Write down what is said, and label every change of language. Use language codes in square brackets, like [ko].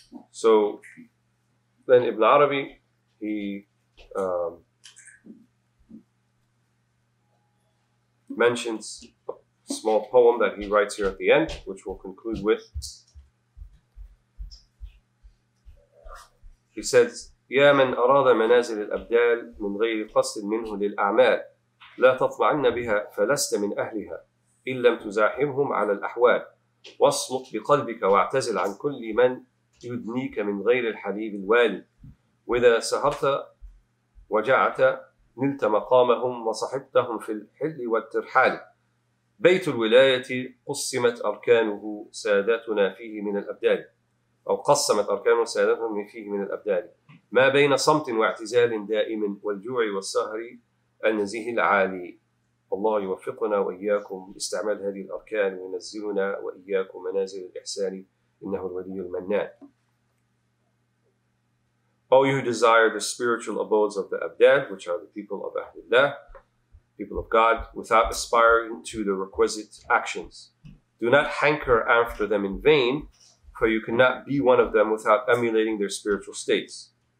[en] So then Ibn Arabi, he mentions a small poem that he writes here at the end, which we'll conclude with. He says, [ar] يَا مَنْ أَرَادَ مَنَازِلِ الْأَبْدَالِ مِنْ غَيْرِ قَصْدٍ مِنْهُ لِلْأَعْمَالِ لَا تَطْمَعَنَّ بِهَا فَلَسْتَ مِنْ أَهْلِهَا إِنْ لَمْ تُزَاحِمْهُمْ عَلَى الْأَحْوَالِ وَاصْمُتْ بِقَلْبِكَ وَاعْتَزِلْ عَنْ كُلِّ مَنْ يدنيك من غير الحبيب الوالي وإذا سهرت وجعت نلت مقامهم وصحبتهم في الحل والترحال بيت الولاية قسمت أركانه ساداتنا فيه من الأبدال أو قسمت أركانه ساداتهم فيه من الأبدال ما بين صمت واعتزال دائم والجوع والسهر النزيه العالي الله يوفقنا وإياكم لاستعمال هذه الأركان وينزلنا وإياكم منازل الإحسان إنه الولي المنان. [en] O you who desire the spiritual abodes of the Abdal, which are the people of Ahlullah, people of God, without aspiring to the requisite actions. Do not hanker after them in vain, for you cannot be one of them without emulating their spiritual states.